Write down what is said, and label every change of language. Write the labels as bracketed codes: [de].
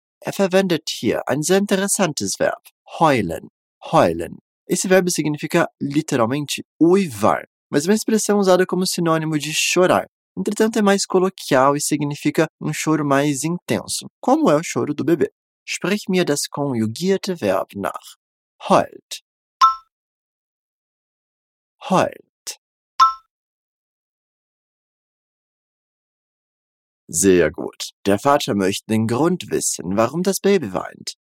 [de] Er verwendet hier ein sehr interessantes Verb, heulen. Heulen. [pt] Esse Verb significa literalmente uivar, mas é uma expressão usada como sinônimo de chorar. Entretanto, é mais coloquial e significa um choro mais intenso, como é o choro do bebê. [de] Sprich mir das konjugierte Verb nach. Heult. Heult. Sehr gut. Der Vater möchte den Grund wissen, warum das Baby weint.